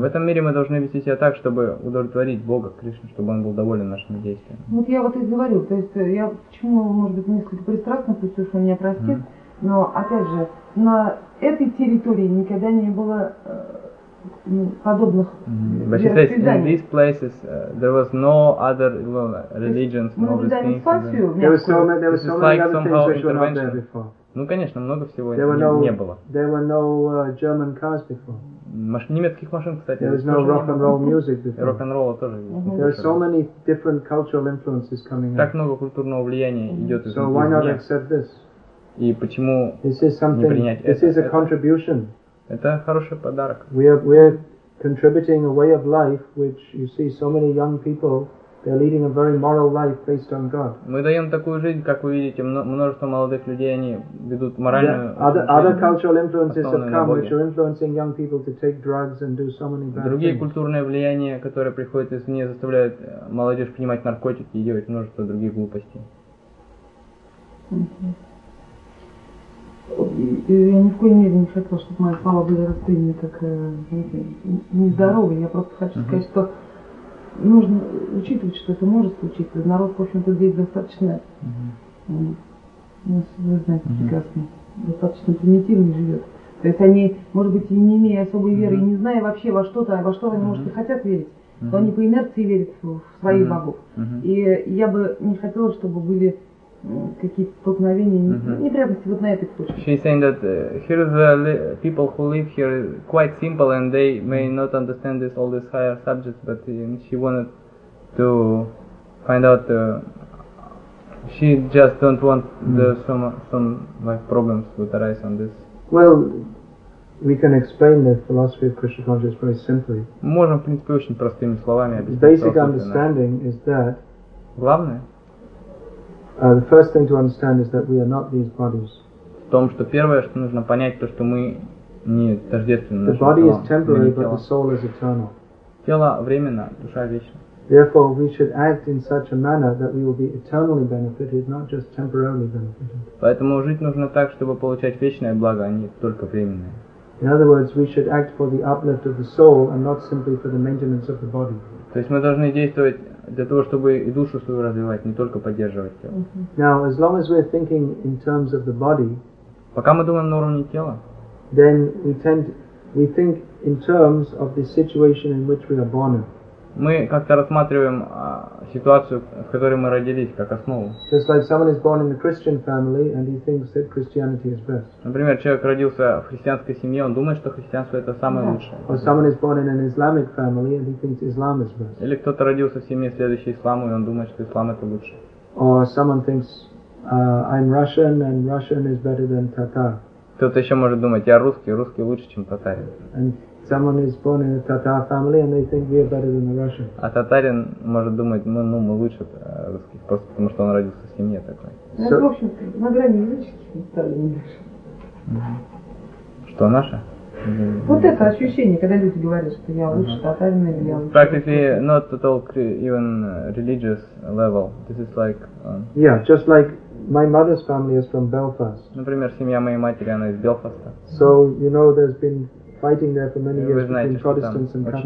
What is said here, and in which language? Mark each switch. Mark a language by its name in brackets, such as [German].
[Russian] В этом мире мы должны вести себя так, чтобы удовлетворить Бога, Кришну, чтобы Он был доволен нашими действиями. Вот я вот и говорю, то есть я почему, может быть, несколько пристрастно, то есть уж он меня простит, но опять же, на этой территории никогда не было подобных. [English] But she says in these places there was no other religions, no other things. There was like somehow intervention. [Russian] Ну конечно, много всего не было. [English] There were no German cars before. [Russian] Немецких машин, кстати, [English] there was no rock and roll music before. [Russian] Рок-н-ролла тоже. [English] There are so many different cultural influences coming in. [Russian] Так много культурного влияния идет. [English] So why not accept this? [Russian] И почему не принять это? [English] This is a contribution. [Russian] Это хороший подарок. [English] We are contributing a way of life which you see so many young people, they're leading a very moral life based on God. [Russian] Мы даем такую жизнь, как вы видите, множество молодых людей, они ведут моральную. [English] Other cultural influences have come which are influencing young people to take drugs and do so many bad things. [Russian] Другие культурные влияния, которые приходят извне, заставляют молодежь принимать наркотики и делать множество других глупостей. Я ни в коей мере не хотел, чтобы мои слова были расценены как нездоровые. Я просто хочу сказать, что нужно учитывать, что это может случиться. Народ, в общем-то, здесь достаточно, вы знаете, прекрасно, достаточно примитивно живет. То есть они, может быть, и не имея особой веры, и не зная вообще во что-то, во что они, может, и хотят верить, то они по инерции верят в своих богов. И я бы не хотела, чтобы были какие-то столкновения, неприятности вот на этой точке. [English] She's saying that here the people who live here quite simple and they may not understand this, all these higher subjects, but she wanted to find out she just don't want the some like problems would arise on this. Well, we can explain the philosophy of Krishna consciousness very simply. [Russian] Можем, в принципе, очень простыми словами объяснить. [English] The basic understanding is that. [Russian] Главное. [English] The first thing to understand is that we are not these bodies. [Russian] В том, что первое, что нужно понять, то, что мы не тождественны. [English] The body is temporary, but the soul is eternal. [Russian] Тело временно, душа вечна. [English] Therefore, we should act in such a manner that we will be eternally benefited, not just temporarily benefited. [Russian] Поэтому жить нужно так, чтобы получать вечное благо, а не только временное. [English] In other words, we should act for the uplift of the soul and not simply for the maintenance of the body. [Russian] То есть мы должны действовать для того, чтобы и душу свою развивать, не только поддерживать тело. [English] Now, as long as we're thinking in terms of the body, [Russian] пока мы думаем на уровне тела, [English] then we think in terms of the situation in which we are born. [Russian] Мы как-то рассматриваем ситуацию, в которой мы родились, как основу. [English] Just like someone is born in a Christian family and he thinks that Christianity is best. [Russian] Например, человек родился в христианской семье, он думает, что христианство это самое лучшее. [English] Or someone is born in an Islamic family and he thinks Islam is best. [Russian] Или кто-то родился в семье, следующей исламу, и он думает, что ислам это лучше. [English] Or someone thinks I'm Russian and Russian is better than Tatar. [Russian] Кто-то еще может думать, я русский, русский лучше, чем татарин. [English] Someone is born in a Tatar family and they think we are better than the Russian. [Russian] А татарин может думать, ну, мы лучше русских, просто потому что он родился в семье такой. Ну, в общем-то, на грани языческих стали не дальше. Что, наше? Вот это ощущение, когда люди говорят, что я лучше татарин или я лучше. [English] Practically not at all even religious level. This is like... Yeah, just like my mother's family is from Belfast. [Russian] Например, семья моей матери, она из Белфаста. [English] So, you know, there's been fighting there for many years between Protestants and Catholics.